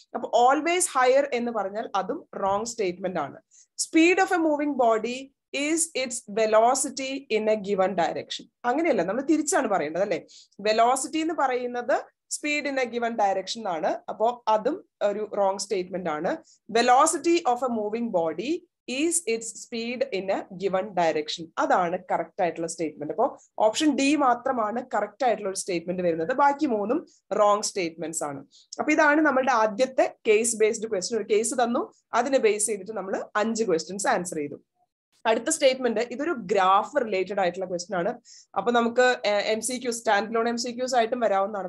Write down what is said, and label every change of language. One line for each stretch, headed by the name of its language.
Malayalam: അപ്പൊ always higher എന്ന് പറഞ്ഞാൽ അതും റോങ് സ്റ്റേറ്റ്മെന്റ് ആണ്.
English: Speed of a moving body is its velocity in a given direction.
Malayalam: അങ്ങനെയല്ല, നമ്മൾ തിരിച്ചാണ് പറയേണ്ടത് അല്ലെ. വെലോസിറ്റി എന്ന് പറയുന്നത്
English: speed in a given direction
Malayalam: ആണ്. അപ്പോ അതും ഒരു റോങ് സ്റ്റേറ്റ്മെന്റ് ആണ്.
English: Velocity of a moving body is its speed in a given direction.
Malayalam: അതാണ് കറക്റ്റ് ആയിട്ടുള്ള സ്റ്റേറ്റ്മെന്റ്. അപ്പോൾ ഓപ്ഷൻ ഡി മാത്രമാണ് കറക്റ്റ് ആയിട്ടുള്ള ഒരു സ്റ്റേറ്റ്മെന്റ് വരുന്നത്, ബാക്കി 3 റോങ് സ്റ്റേറ്റ്മെന്റ്സ് ആണ്. അപ്പൊ ഇതാണ് നമ്മളുടെ ആദ്യത്തെ കേസ് ബേസ്ഡ് ക്വസ്റ്റ്യൻ. ഒരു കേസ് തന്നു, അതിനെ ബേസ് ചെയ്തിട്ട് നമ്മൾ 5 ക്വസ്റ്റ്യൻസ് ആൻസർ ചെയ്തു. അടുത്ത സ്റ്റേറ്റ്മെന്റ് ഇതൊരു ഗ്രാഫ് റിലേറ്റഡ് ആയിട്ടുള്ള ക്വസ്റ്റ്യൻ ആണ്. അപ്പൊ നമുക്ക് M C Qs stand loan M C Qs ആയിട്ടും വരാവുന്നതാണ്.